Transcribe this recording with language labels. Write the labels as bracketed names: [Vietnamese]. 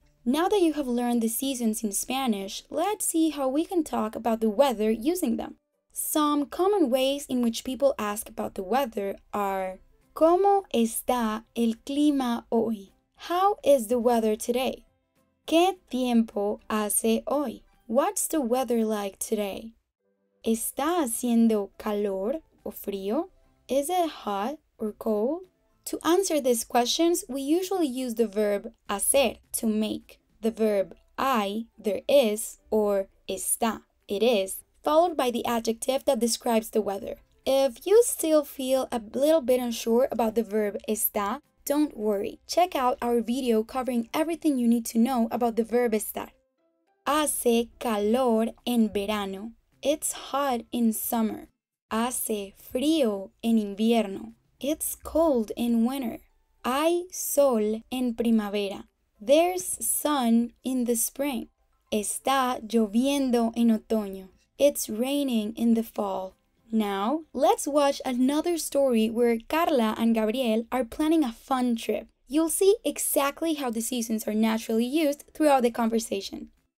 [English] Now that you have learned the seasons in Spanish, let's see how we can talk about the weather using them. Some common ways in which people ask about the weather are [Spanish] ¿Cómo está el clima hoy? [English] How is the weather today? [Spanish] ¿Qué tiempo hace hoy? [English] What's the weather like today? [Spanish] ¿Está haciendo calor o frío? [English] Is it hot or cold? To answer these questions, we usually use the verb hacer to make. The verb hay, there is, or está, it is, followed by the adjective that describes the weather. If you still feel a little bit unsure about the verb está, don't worry. Check out our video covering everything you need to know about the verb estar. [Spanish] Hace calor en verano. [English] It's hot in summer. [Spanish] Hace frío en invierno. [English] It's cold in winter. [Spanish] Hay sol en primavera. [English] There's sun in the spring. [Spanish] Está lloviendo en otoño. [English] It's raining in the fall. Now, let's watch another story where Carla and Gabriel are planning a fun trip. You'll see exactly how the seasons are naturally used throughout the conversation.